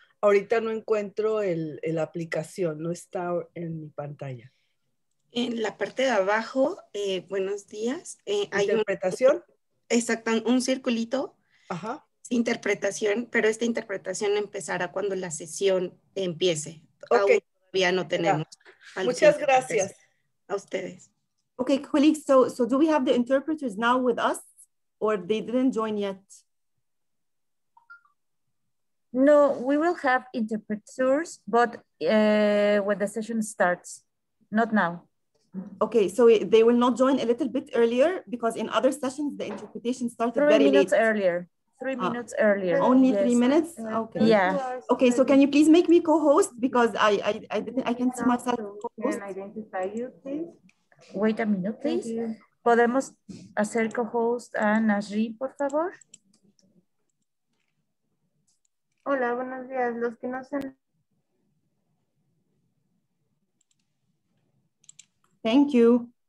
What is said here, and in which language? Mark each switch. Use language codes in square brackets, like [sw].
[es] Ahorita no encuentro la aplicación, no está en mi pantalla. En la parte de abajo, buenos días. ¿Interpretación? Exacto, un circulito. Ajá. Interpretación, pero esta interpretación empezará cuando la sesión empiece. Ok. Aún todavía no tenemos. Muchas gracias. A ustedes. [en] Ok, colleagues, so do we have the interpreters now with us? Or they didn't join yet? No, we will have interpreters, but when the session starts, not now. Okay, so they will not join a little bit earlier because in other sessions, the interpretation started three very late. 3 minutes earlier, 3 minutes earlier. Only yes. 3 minutes? Okay. Yeah. Okay, so can you please make me co-host because I can't see myself. Can I identify you, please? Wait a minute, please. [es] ¿Podemos hacer co-host a Nasri, por favor? Hola, buenos días. Los que no sean... [en] Thank you.